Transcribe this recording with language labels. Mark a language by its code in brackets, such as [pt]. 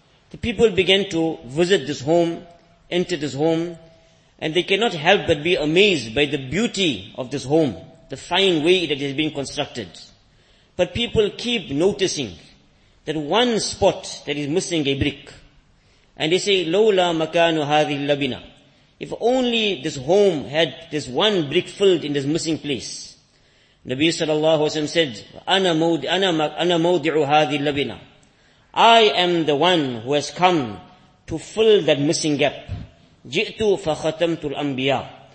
[en] The people began to visit this home, enter this home, and they cannot help but be amazed by the beauty of this home, the fine way that it has been constructed. But people keep noticing that one spot that is missing a brick. And they say, [ar] لَوْلَا مَكَانُ هَذِي اللَّبِنَا. [en] If only this home had this one brick filled in this missing place. Nabi sallallahu alayhi wa sallam said, [ar] أَنَا مَوْدِعُ هَذِي اللَّبِنَا. [en] I am the one who has come to fill that missing gap. [ar] جِئْتُ فَخَتَمْتُ الْأَنْبِيَاءِ.